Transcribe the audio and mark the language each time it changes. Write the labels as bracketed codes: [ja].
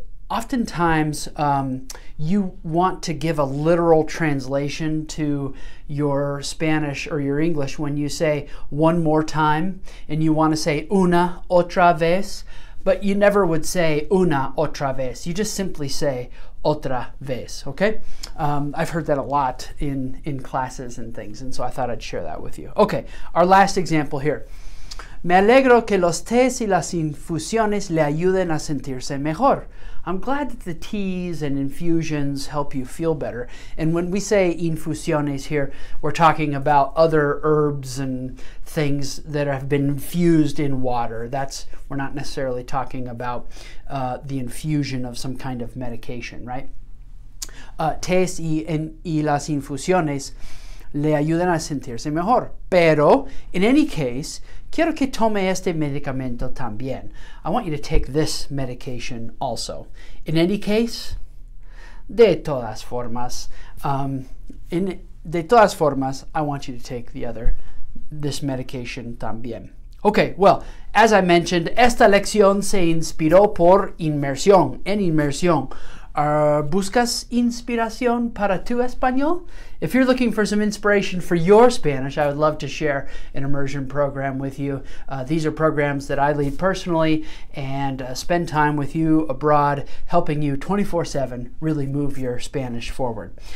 [en] Oftentimes, you want to give a literal translation to your Spanish or your English when you say one more time, and you want to say [es] una otra vez. [en] But you never would say [es] una otra vez. [en] You just simply say otra vez, okay? I've heard that a lot in classes and things, and so I thought I'd share that with you. Okay, our last example here. [es] Me alegro que los tés y las infusiones le ayuden a sentirse mejor. [en] I'm glad that the teas and infusions help you feel better. And when we say infusiones here, we're talking about other herbs and things that have been infused in water. We're not necessarily talking about the infusion of some kind of medication, right? [es] Tés y las infusiones le ayudan a sentirse mejor. Pero, [en] in any case, [es] quiero que tome este medicamento también. [en] I want you to take this medication also. In any case, [es] de todas formas, [en] I want you to take this medication también. Okay, well, as I mentioned, [es] esta lección se inspiró por inmersión, en inmersión. ¿Buscas inspiración para tu español? [en] If you're looking for some inspiration for your Spanish, I would love to share an immersion program with you. These are programs that I lead personally and spend time with you abroad, helping you 24/7 really move your Spanish forward.